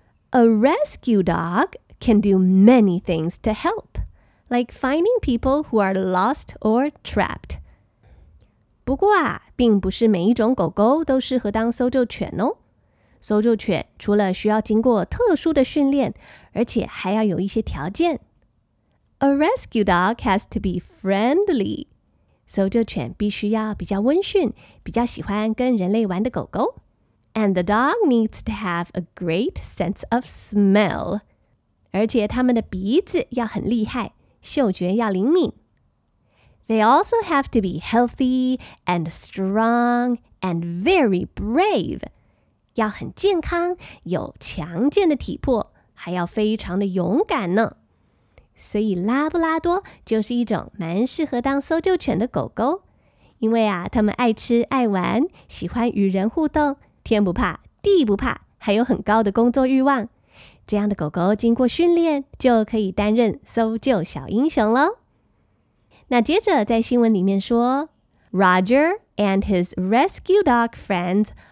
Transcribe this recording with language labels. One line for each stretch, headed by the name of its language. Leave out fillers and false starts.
English: A rescue dog can do many things to help, like finding people who are lost or trapped.
Chinese: 不过啊，并不是每一种狗狗都适合当搜救犬哦。搜救犬除了需要经过特殊的训练，而且还要有一些条件。
English: A rescue dog has to be friendly.
Chinese: 搜救犬必须要比较温驯，比较喜欢跟人类玩的狗狗。
English: And the dog needs to have a great sense of smell.
Chinese: 而且它们的鼻子要很厉害，嗅觉要灵敏。
English: They also have to be healthy and strong and very brave.
Chinese: 要很健康，有强健的体魄，还要非常的勇敢呢。所以拉布拉多就是一种蛮适合当搜救犬的狗狗，因为啊，它们爱吃爱玩，喜欢与人互动，天不怕地不怕，还有很高的工作欲望。这样的狗狗经过训练，就可以担任搜救小英雄咯。那接着在新闻里面说 ，
English: Roger and his rescue dog friends。